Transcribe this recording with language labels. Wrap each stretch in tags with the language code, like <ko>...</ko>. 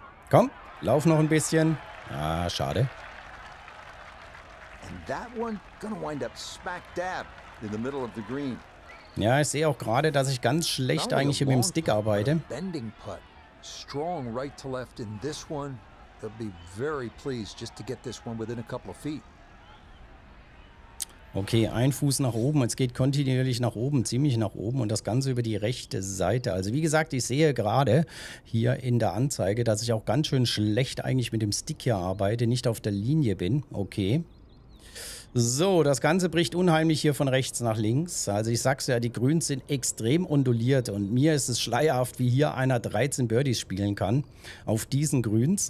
<de>Komm, lauf noch ein bisschen. Ah, schade.</de> <en>And that one gonna wind up smack dab in the middle of the green.</en> <de>Ja, ich sehe auch gerade, dass ich ganz schlecht eigentlich mit dem Stick arbeite.</de> <en>Bending putt. Strong right to left in this one. They'll be very pleased just to get this one within a couple of feet.</en> <de>Okay, ein Fuß nach oben. Es geht kontinuierlich nach oben, ziemlich nach oben und das Ganze über die rechte Seite. Also wie gesagt, ich sehe gerade hier in der Anzeige, dass ich auch ganz schön schlecht eigentlich mit dem Stick hier arbeite, nicht auf der Linie bin. Okay. So, das Ganze bricht unheimlich hier von rechts nach links. Also ich sag's ja, die Grüns sind extrem onduliert und mir ist es schleierhaft, wie hier einer 13 Birdies spielen kann auf diesen Grüns.</de>